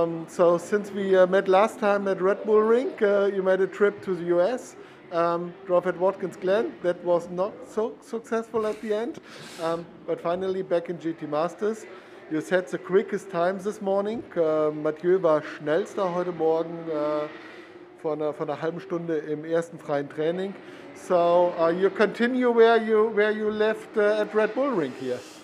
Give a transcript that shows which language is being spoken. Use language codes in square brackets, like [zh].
[en] So since we met last time at Red Bull Ring, you made a trip to the US. Drove at Watkins Glen. That was not so successful at the end. But finally back in GT Masters. You set the quickest times this morning. [de] Mathieu war schnellster heute Morgen von einer halben Stunde im ersten freien Training. [en] So you continue where you left at Red Bull Ring here.